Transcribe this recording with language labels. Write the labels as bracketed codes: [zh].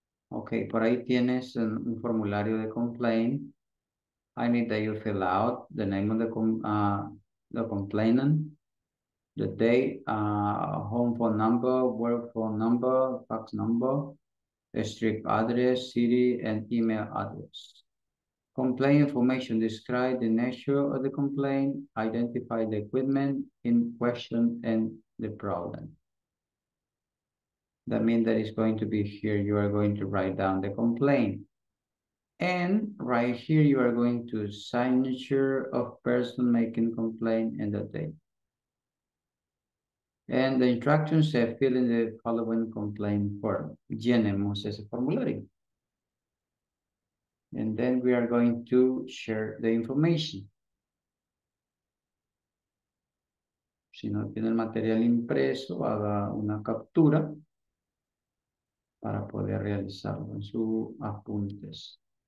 [es] Okay, por ahí tienes un formulario de complaint. [en] I need that you fill out the name of the complainant. The date, home phone number, work phone number, fax number, street address, city, and email address. Complaint information, describe the nature of the complaint, identify the equipment in question and the problem. That means that it's going to be here, you are going to write down the complaint. And right here, you are going to signature of person making complaint and the date. And the instructions say fill in the following complaint form. [es] Llenemos ese formulario. [en] And then we are going to share the information. [es] Si no tiene el material impreso, haga una captura para poder realizarlo en sus apuntes.